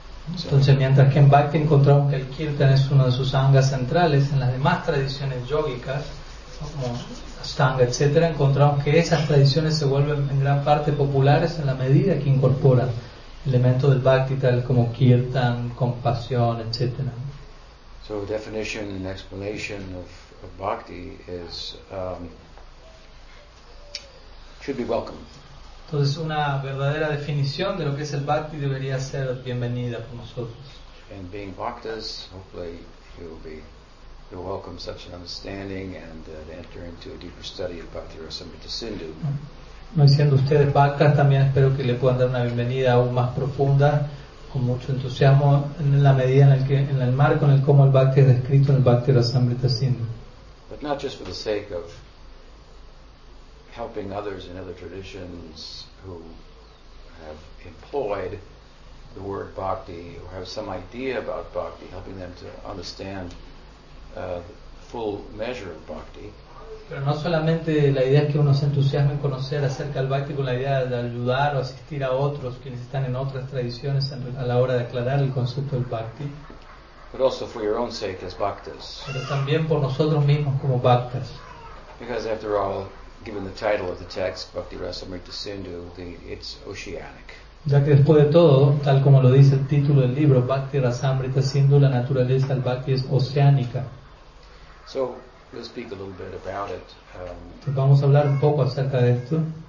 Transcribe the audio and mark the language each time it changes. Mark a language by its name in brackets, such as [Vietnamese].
[Spanish] Entonces, mientras que en Bhakti encontramos que el Kirtan es uno de sus angas centrales, en las demás tradiciones yógicas, como Ashtanga, etc., encontramos que esas tradiciones se vuelven en gran parte populares en la medida que incorporan elementos del Bhakti, tal como Kirtan, compasión, etc. [English] So the definition and explanation of Bhakti is, should be welcome. [Spanish] Entonces una verdadera definición de lo que es el bhakti debería ser bienvenida por nosotros. [English] And being bhaktas, hopefully you'll welcome such an understanding and enter into a deeper study of Bhakti-rasamrita-sindhu. [Spanish] No siendo ustedes bhaktas, también espero que le puedan dar una bienvenida aún más profunda con mucho entusiasmo en la medida en el que en el marco en el cómo el bhakti es descrito en el Bhakti-rasamrita-sindhu. [English] But not just for the sake of helping others in other traditions who have employed the word bhakti or have some idea about bhakti, helping them to understand the full measure of bhakti. [Spanish] Pero no solamente la idea es que uno se entusiasme en conocer acerca del bhakti con la idea de ayudar o asistir a otros quienes están en otras tradiciones a la hora de aclarar el concepto del bhakti. [English] But also for your own sake as bhaktas. [Spanish] Pero también por nosotros mismos como bhaktas. [English] Because after all, given the title of the text, Bhakti-rasamrita-sindhu, it's oceanic. [Spanish] Ya que después de todo, tal como lo dice el título del libro, Bhakti-rasamrita-sindhu, la naturaleza del bhakti es oceánica. [English] So we'll speak a little bit about it. [Spanish] Vamos a hablar un poco acerca de esto.